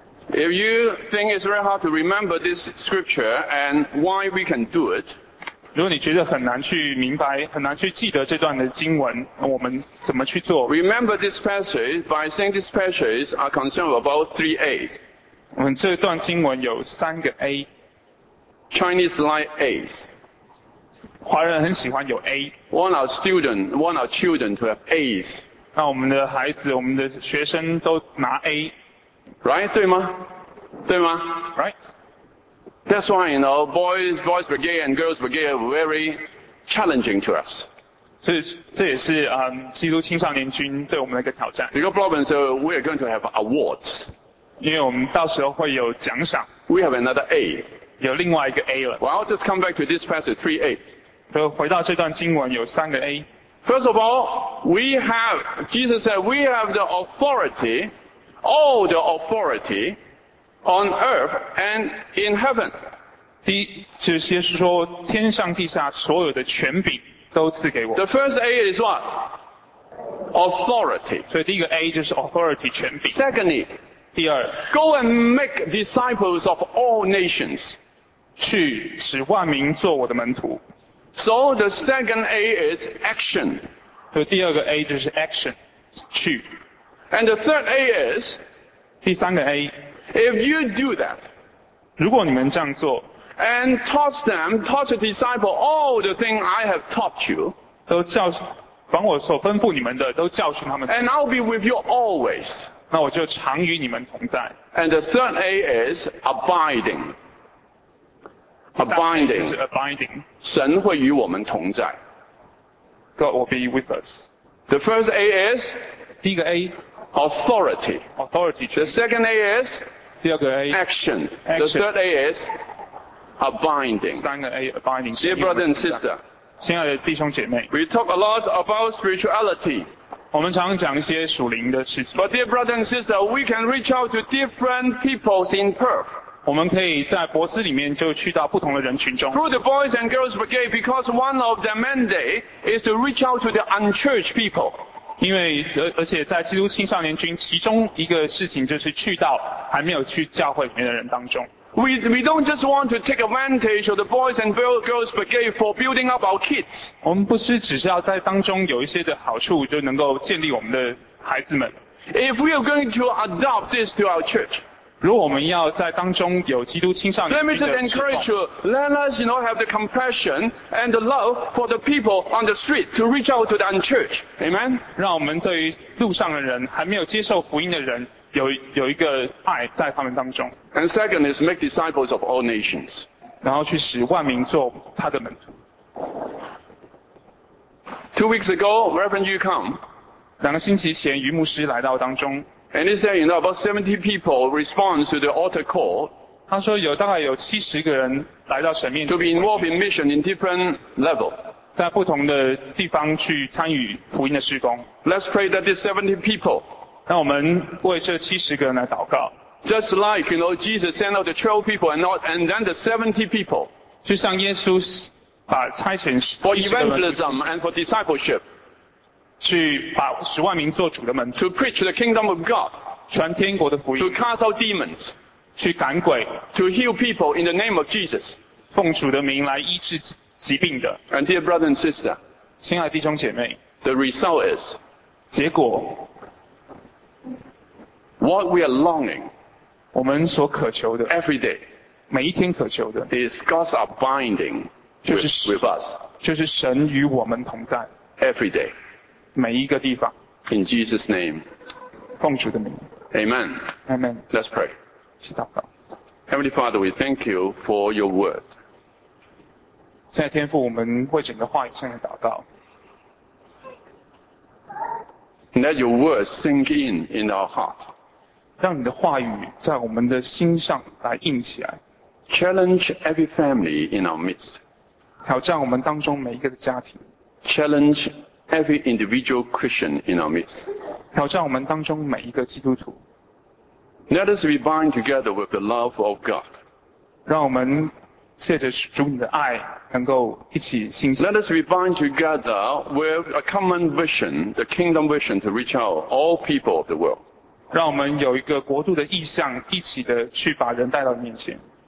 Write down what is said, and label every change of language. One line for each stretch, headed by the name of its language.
English: If you think it's very hard to remember this scripture and why we can do it,
Chinese: 如果你觉得很难去明白，很难去记得这段的经文，我们怎么去做
English: ？Remember this passage by saying this passage are concerned about three A's.
Chinese: 我们这段经文有三个 A.
English: Chinese like A's.
Chinese: 华人很喜欢有 A.
English: Want our student, want our children to have A's.
Chinese: 那我们的孩子我们的学生都拿 A
English: Right
Chinese: 对吗对吗
English: Right That's why you know Boys Brigade and Girls Brigade are very challenging to us
Chinese: 这也是、基督青少年军对我们的一个挑战
English: Because problem is we are going to have awards
Chinese: 因为我们到时候会有奖赏
English: We have another A
Chinese: 有另外一个 A 了
English: Well just come back to this passage 3A
Chinese: 就回到这段经文有三个 A
English: First of all, we have, Jesus said, we have the authority, all the authority on earth and in heaven.
Chinese: 第一，就是先说天上地下所有的权柄都赐给我。
English: The first A is what? Authority.
Chinese: 所以第一个 A 就是 authority, 权柄。
English: Secondly,
Chinese: 第二
English: go and make disciples of all nations.
Chinese: 去使万民做我的门徒。
English: So the second A is action.
Chinese: 所以第二个 A 就是 action, 去。
English: And the third A is,
Chinese: 第三个 A,
English: if you do that,
Chinese: 如果你们这样做,
English: and teach the disciple all the things I have taught you,
Chinese: 都教凡我所吩咐你们的都教训他们。
English: And I'll be with you always.
Chinese: 那我就常与你们同在。
English: And the third A is abiding. Abiding.
Chinese: 神会与我们同在。
English: God will be with us. The first A is?
Chinese: 第一个 A.
English: Authority. Authority. The second A is?
Chinese: 第二个 A.
English: Action. Action. The third A is? Abiding.
Chinese: 三个 A, abiding.
English: Dear brother and sister.
Chinese: 亲爱的弟兄姐妹。
English: We talk a lot about spirituality.
Chinese: 我们常讲一些属灵的事情。
English: But dear brother and sister, we can reach out to different peoples in Perth.
Chinese: 我们可以在博斯里面就去到不同的人群中。
English: Through the Boys and Girls Brigade, because one of their mandate is to reach out to the unchurched people.
Chinese: 因为而且在基督青少年军，其中一个事情就是去到还没有去教会里面的人当中。
English: We don't just want to take advantage of the Boys and Girls Brigade for building up our kids.
Chinese: 我们不是只是要在当中有一些的好处，就能够建立我们的孩子们。
English: If we are going to adopt this to our church.
Chinese: 如果我们要在当中有基督青少年的侍奉
English: Let me just encourage you. Let us, you know, have the compassion and the love for the people on the street to reach out to the unchurched. Amen.
Chinese: 让我们对于路上的人还没有接受福音的人有一个爱在他们当中
English: And second is make disciples of all nations.
Chinese: 然后去使万民做他的门徒。
English: 2 weeks ago, Reverend Yu come.
Chinese: 两个星期前，余牧师来到当中。
English: And he said, you know, about 70 people respond to the altar call.
Chinese: 他说有大概有70个人来到神面前。
English: To be involved in mission in different level.
Chinese: 在不同的地方去参与福音的事工。
English: Let's pray that these 70 people,
Chinese: 让我们为这70个人来祷告。
English: Just like, you know, Jesus sent out the 12 people and, not, and then the 70 people,
Chinese: 就像耶稣把差遣70个人
English: for evangelism and for discipleship,
Chinese: 去把十万名做主的门徒
English: to preach the kingdom of God,
Chinese: 传天国的福音
English: to cast out demons,
Chinese: 去赶鬼
English: to heal people in the name of Jesus,
Chinese: 奉主的名来医治疾病的。
English: And dear brother and sister,
Chinese: 亲爱的弟兄姐妹，
English: the result is,
Chinese: 结果，
English: what we are longing,
Chinese: 我们所渴求的，
English: every day,
Chinese: 每一天渴求的，
English: is God's abiding with us,
Chinese: 就是神与我们同在，
English: every day,
Chinese: 每一个地方，
English: in Jesus' name,
Chinese: 奉主的名，
English: Amen, Amen. Let's pray.
Chinese: 起祷告。
English: Heavenly Father, we thank you for your word.
Chinese: 亲爱的天父，我们为整个话语向你祷告。
English: Let your words sink in our heart.
Chinese: 让你的话语在我们的心上来印起来。
English: Challenge every family in our midst.
Chinese: 挑战我们当中每一个的家庭。
English: Challenge every individual Christian in our midst.
Chinese: 挑战我们当中每一个基督徒。
English: Let us be bind together with the love of God.
Chinese: 让我们借着主你的爱能够一起信心。
English: Let us be bind together with a common vision, the kingdom vision to reach out all people of the world.
Chinese: 让我们有一个国度的意向，一起的去把人带到面前。